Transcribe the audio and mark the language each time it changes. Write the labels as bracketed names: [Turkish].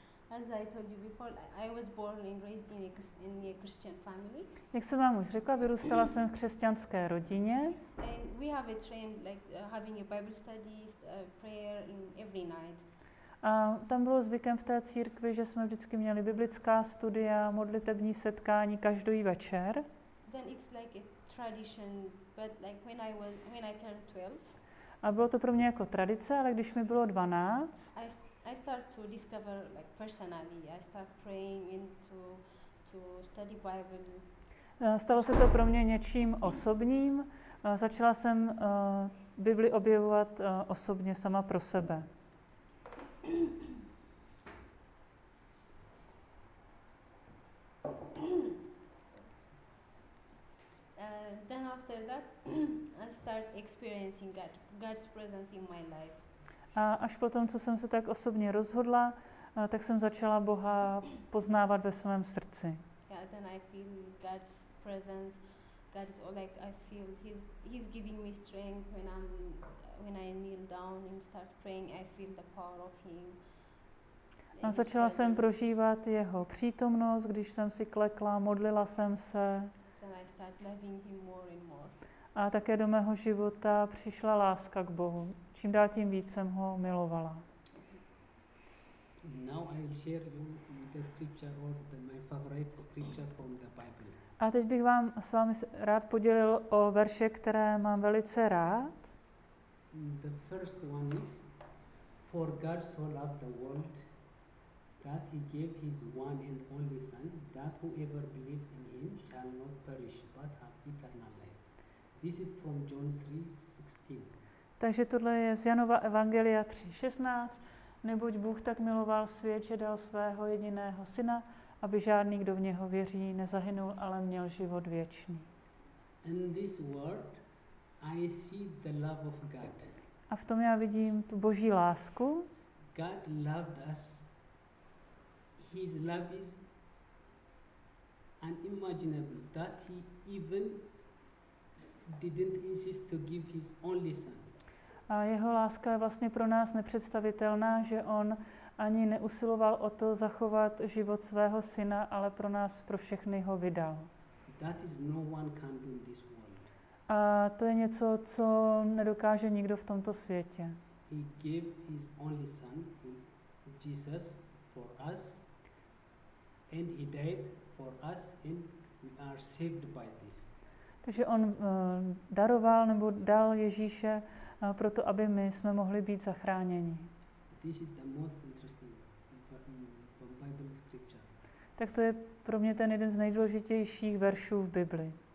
[English] As I told you before, I was born and raised in a Christian family. [Czech] Jak jsem vám už řekla, vyrůstala jsem v křesťanské rodině. [English] And we have a trend like having a Bible study, prayer in every night. [Czech] A tam bylo zvykem v té církvi, že jsme vždycky měli biblická studia, modlitební setkání každý večer. [English] Then it's like a tradition, but like when I turned 12. [Czech] A bylo to pro mě jako tradice, ale když mi bylo 12. [English] I start to discover like personally. I start praying and to study Bible. [Czech] Stalo se to pro mě něčím osobním. Začala jsem Bibli objevovat osobně sama pro sebe. [English] Then after that I start experiencing God's presence in my life. [Czech] A až potom, co jsem se tak osobně rozhodla, tak jsem začala Boha poznávat ve svém srdci. [English] Yeah, then I feel God's presence. God is all like I feel he's giving me strength when I kneel down and start praying. I feel the power of him. [Czech] A začala jsem prožívat jeho přítomnost, když jsem si klekla, modlila jsem se. Then I start loving him more and more. A také do mého života přišla láska k Bohu. Čím dál tím víc jsem ho milovala. [English] Now I will share you the scripture or my favorite scripture from the Bible. [Czech] A teď bych vám s vámi rád podělil o verše, které mám velice rád. [English] The first one is, for God so loved the world that he gave his one and only son, that whoever believes in him shall not perish but have eternal life. This is from John 3:16. [Czech] Takže tohle je z Janova evangelia 3:16. Neboť Bůh tak miloval svět, že dal svého jediného syna, aby žádný, kdo v něho věří, nezahynul, ale měl život věčný. [English] In this word, I see the love of God. [Czech] A v tom já vidím tu Boží lásku. [English] God loved us. His love is unimaginable that he even didn't insist to give his only son. [Czech] A jeho láska je vlastně pro nás nepředstavitelná, že on ani neusiloval o to zachovat život svého syna, ale pro nás, pro všechny ho vydal. [English] That is no one can do in this world. [Czech] A to je něco, co nedokáže nikdo v tomto světě. [English] He gave his only son, Jesus, for us, and he died for us, and we are saved by this. [Czech] Takže on daroval nebo dal Ježíše proto, aby my jsme mohli být zachráněni. [English] This is the most interesting from Bible scripture. [Czech] Tak to je pro mě ten jeden z nejdůležitějších veršů v Bibli.